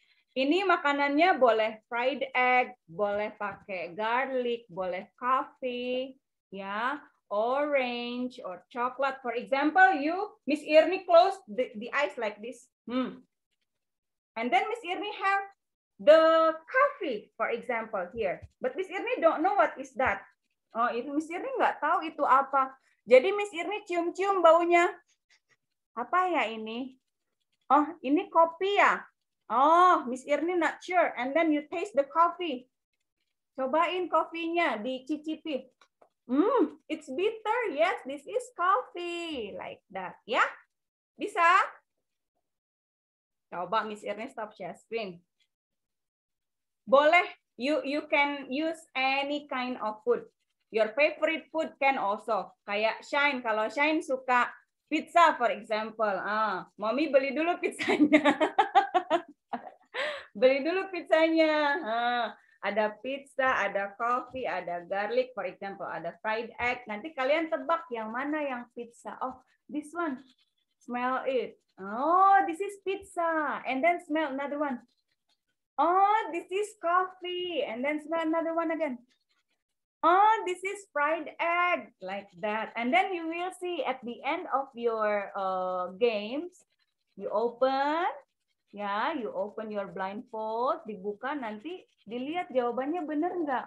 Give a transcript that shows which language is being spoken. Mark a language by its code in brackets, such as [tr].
[id] Ini makanannya boleh fried egg, boleh pakai garlic, boleh coffee, ya, [en] orange or chocolate. For example, you Miss Irni close the eyes like this. And then Miss Irni have the coffee for example here. But Miss Irni don't know what is that. [id] Oh, itu Miss Irni nggak tahu itu apa. Jadi Miss Irni cium-cium baunya. Apa ya ini? Oh, ini kopi ya? Oh, Miss Irni [en] not sure. And then you taste the coffee. [id] Cobain kopinya, dicicipi. [en] It's bitter. Yes, this is coffee. Like that. Ya? Yeah? Bisa? Coba Miss Irni stop share screen. Boleh. You can use any kind of food. Your favorite food can also. Kayak Shine. [id] Kalau Shine suka pizza, [en] for example. [id] Mommy beli dulu pizzanya. Beli dulu pizzanya. Ada pizza, ada coffee, ada garlic, for example. Ada fried egg. Nanti kalian tebak yang mana yang pizza. [en] Oh, this one. Smell it. Oh, this is pizza. And then smell another one. Oh, this is coffee. And then smell another one again. Oh, this is fried egg, like that. And then you will see at the end of your games, you open, yeah, you open your blindfold, [id] dibuka, nanti dilihat jawabannya benar nggak?